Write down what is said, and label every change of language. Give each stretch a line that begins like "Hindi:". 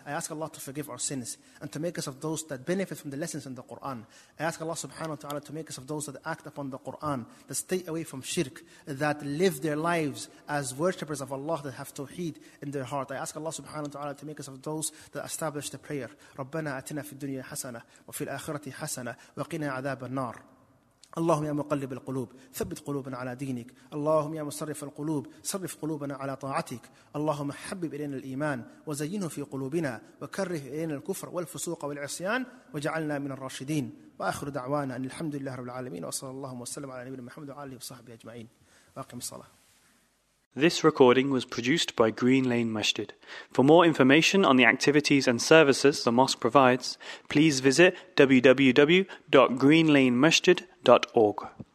English: I ask Allah to forgive our sins and to make us of those that benefit from the lessons in the Quran. I ask Allah subhanahu wa ta'ala to make us of those that act upon the Quran, that stay away from shirk, that live their lives as worshippers of Allah, that have tawheed in their heart. I ask Allah subhanahu wa ta'ala to make us of those that establish the prayer.
Arabic: رَبَّنَا أَتِنَا فِي الدُّنْيَا حَسَنَةً وَفِي الْآخِرَةِ حَسَنَةً وَقِنَا عَذَابَ النَّارِ. اللهم يا مقلب القلوب ثبت قلوبنا على دينك, اللهم يا مصرف القلوب صرف قلوبنا على طاعتك, اللهم حبب إلينا الإيمان وزينه في قلوبنا وكره إلينا الكفر والفسوق والعصيان وجعلنا من الراشدين. وآخر دعوانا أن الحمد لله رب العالمين, وصلى الله وسلم على نبينا محمد وعلى آله وصحبه أجمعين. وأقم الصلاة.
English: This recording was produced by Green Lane Masjid. For more information on the activities and services the mosque provides, please visit www.greenlanemasjid.org.